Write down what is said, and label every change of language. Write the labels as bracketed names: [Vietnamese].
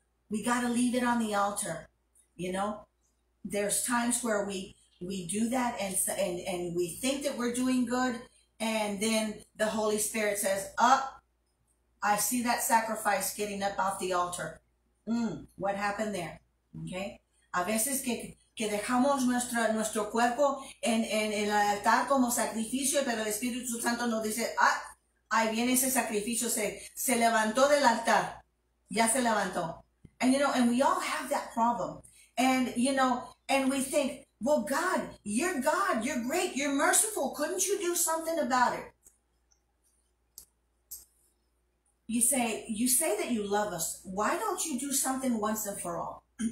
[English] We got to leave it on the altar. You know, there's times where we do that and we think that we're doing good. And then the Holy Spirit says, oh, I see that sacrifice getting up off the altar. What happened there? Okay. [Spanish] A veces que dejamos nuestro cuerpo en el altar como sacrificio, pero el Espíritu Santo nos dice, ah, ahí viene ese sacrificio, se levantó del altar. Ya se levantó. [English] And you know, and we all have that problem. And you know, and we think, well, God, you're great, you're merciful. Couldn't you do something about it? You say that you love us. Why don't you do something once and for all?